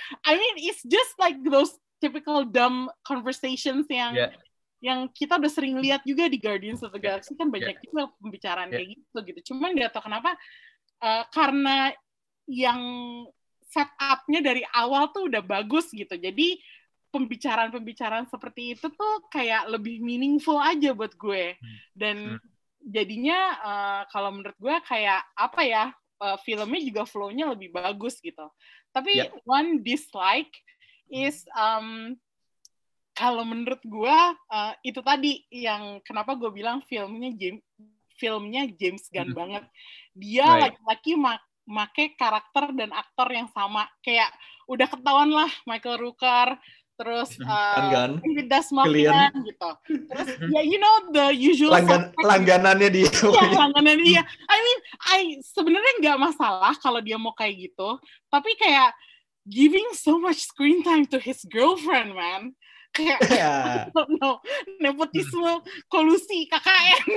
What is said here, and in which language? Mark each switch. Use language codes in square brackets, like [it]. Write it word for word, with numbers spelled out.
[en] I mean it's just like those typical dumb conversations yang yeah. [id] yang kita udah sering lihat juga di Guardians of the Galaxy kan banyak yeah. juga pembicaraan yeah. kayak gitu gitu. Cuman nggak tahu kenapa uh, karena yang setupnya dari awal tuh udah bagus gitu, jadi pembicaraan-pembicaraan seperti itu tuh kayak lebih meaningful aja buat gue dan hmm. jadinya uh, kalau menurut gue kayak apa ya uh, filmnya juga flow-nya lebih bagus gitu. Tapi yeah. [en] one dislike is [id] um, kalau menurut gue uh, itu tadi yang kenapa gue bilang filmnya James filmnya James Gunn mm-hmm. banget. Dia right. laki-laki mak- make karakter dan aktor yang sama, kayak udah ketahuan lah Michael Rooker. Terus uh, David Dasmalkian gitu. Terus ya [en] yeah, you know the usual [id] Langgan, langganannya dia. Iya, langganannya dia. [en] I mean, I [id] sebenarnya nggak masalah kalau dia mau kayak gitu, tapi kayak [en] giving so much screen time to his girlfriend, man. [id] Kayak yeah. [en] I don't know, [id] nepotisme, kolusi, K K N.